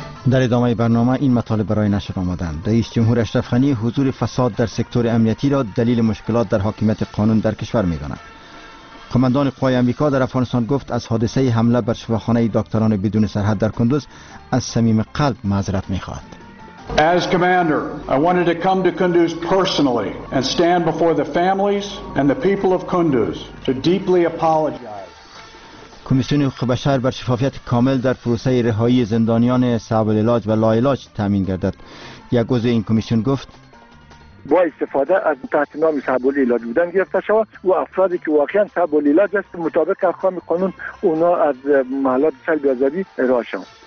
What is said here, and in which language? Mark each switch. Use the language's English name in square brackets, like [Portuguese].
[Persian] در ادامه برنامه این مطالب برای نشر آمدند. رئیس جمهور اشرف غنی حضور فساد در سکتور امنیتی را دلیل مشکلات در حاکمیت قانون در کشور می داند. کماندان قوای امریکا در افغانستان گفت از حادثه حمله بر شفاخانه دکتران بدون سرحد در کندوز از صمیم قلب معذرت می خواهد. [English] As commander, I wanted to come to Kunduz personally and stand before the families and the people of Kunduz to deeply apologize. [Persian] کمیسیون حقوق بشر بر شفافیت کامل در پروسه رهایی زندانیان صعب العلاج و لاعلاج تامین گردد. یک عضو این کمیسیون گفت با استفاده از تحت نام صعب العلاج بودن گرفته شود و افرادی که واقعا صعب العلاج است مطابق احکام قانون اونا از محلات سلب آزادی رها شوند.